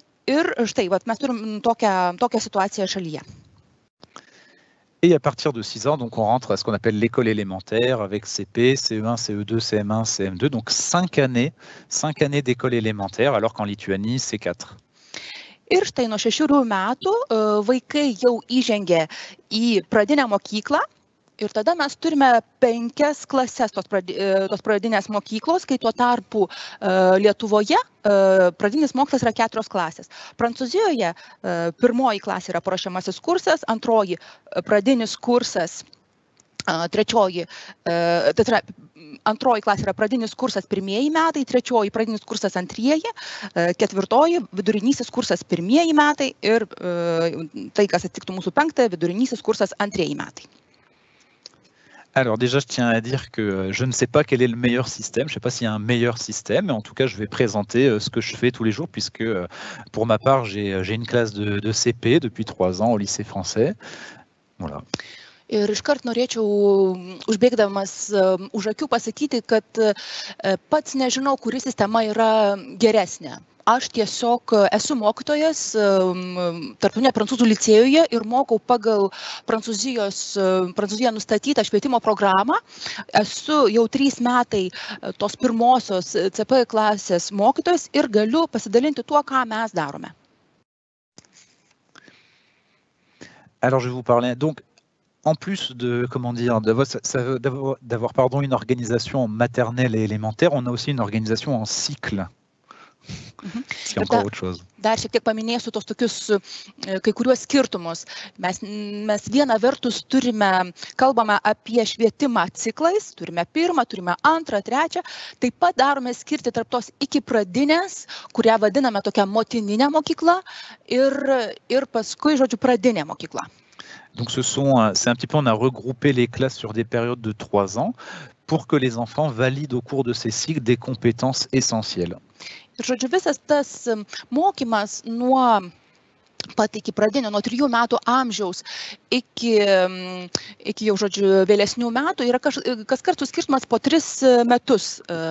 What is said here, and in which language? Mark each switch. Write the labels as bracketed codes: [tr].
[lt] Ir štai, vat, mes turim tokią situaciją šalyje. [fr] Et à partir de 6 ans, donc on rentre à ce qu'on appelle l'école élémentaire avec CP, CE1, CE2, CM1, CM2, donc 5 années d'école élémentaire, alors qu'en Lituanie, c'est 4. [lt] Ir štai nuo 6 metų vaikai jau įžengia į pradinę mokyklą ir tada mes turime 5 klases tos pradinės mokyklos, kai tuo tarpu Lietuvoje pradinis mokslas yra 4 klasės. Prancūzijoje pirmoji klasė yra paruošiamasis kursas, antroji pradinis kursas, antroji klasė yra pradinis kursas pirmieji metai, trečioji pradinis kursas antrieji, ketvirtoji vidurinysis kursas pirmieji metai ir tai, kas atsitiktų mūsų 5, vidurinysis kursas antrieji metai. [fr] Alors déjà, je tiens à dire que je ne sais pas quel est le meilleur système, je ne sais pas s'il y a un meilleur système, mais en tout cas, je vais présenter ce que je fais tous les jours, puisque pour ma part, j'ai une classe de CP depuis 3 ans au lycée français. Voilà. [lt] Ir iškart norėčiau, užbėgdamas už akių, pasakyti, kad pats nežinau, kuri sistema yra geresnė. Aš tiesiog esu mokytojas tarptautinio prancūzų licėjuje ir mokau pagal Prancūzijoje nustatytą švietimo programą. Esu jau 3 metai tos pirmosios CP klasės mokytojas ir galiu pasidalinti tuo, ką mes darome. [fr] Alors, je vous parlais. Donc... En plus d'avoir une organisation maternelle et élémentaire, on a aussi une organisation en cycle. Mm-hmm. C'est encore autre chose. [lt] Dar šiek tiek paminėsiu tos tokius kai kuriuos skirtumus. Mes viena vertus turime, kalbame apie švietimą ciklais, turime pirmą, turime antrą, trečią, taip pat darome skirti tarp tos iki pradinės, kurią vadiname tokia motininė mokykla ir paskui, žodžiu, pradinė mokykla. [fr] Donc c'est un petit peu, on a regroupé les classes sur des périodes de 3 ans pour que les enfants valident au cours de ces cycles des compétences essentielles. [lt] Ir žodžiu, visas tas mokymas nuo pat iki pradinio, nuo 3 metų amžiaus iki jau, žodžiu, vėlesnių metų yra kas kartų skirtumas po 3 metus.